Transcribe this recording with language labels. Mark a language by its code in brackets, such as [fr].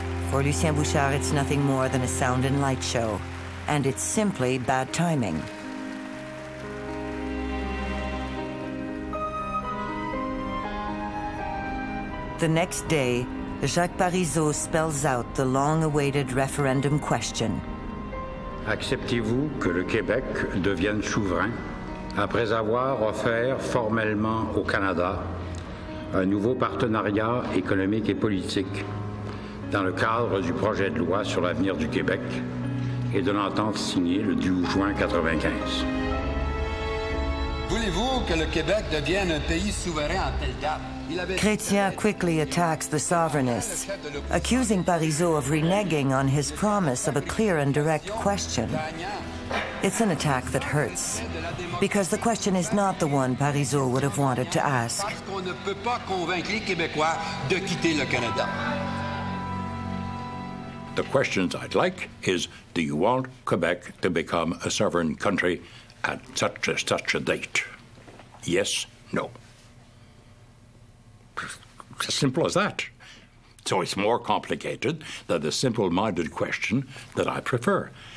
[en] For Lucien Bouchard, it's nothing more than a sound and light show, and it's simply bad timing. The next day, Jacques Parizeau spells out the long-awaited referendum question. [fr] Acceptez-vous que le Québec devienne souverain après avoir offert formellement au Canada un nouveau partenariat économique et politique dans le cadre du projet de loi sur l'avenir du Québec et de l'entente signée le 12 juin 1995. Voulez-vous que le Québec devienne un pays souverain à telle date? [en] Chrétien quickly attacks the sovereignists, accusing Parizeau of reneging on his promise of a clear and direct question. It's an attack that hurts, because the question is not the one Parizeau would have wanted to ask. [fr] Parce qu'on ne peut pas convaincre les Québécois de quitter le Canada. [en] The questions I'd like is, do you want Quebec to become a sovereign country at such and such a date? Yes, no. As simple as that. So it's more complicated than the simple-minded question that I prefer.